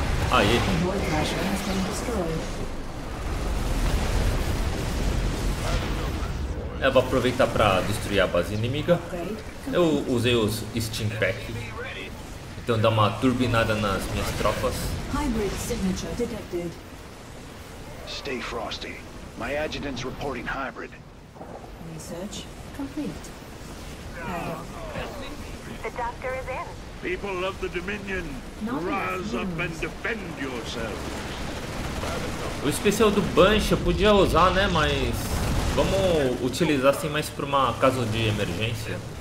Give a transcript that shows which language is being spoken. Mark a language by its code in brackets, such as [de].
[en] Not enough minerals. [pt] Aí. Eu vou aproveitar para destruir a base inimiga. Eu usei os Steam Pack. Então dá uma turbinada nas minhas tropas. [en] Hybrid signature detected. Stay frosty. My adjutant's reporting hybrid. Research complete. The doctor is in. People of the Dominion, rise up and defend yourselves. [pt] O especial do Bunch eu podia usar, né? Mas vamos utilizar assim mais para uma caso de emergência.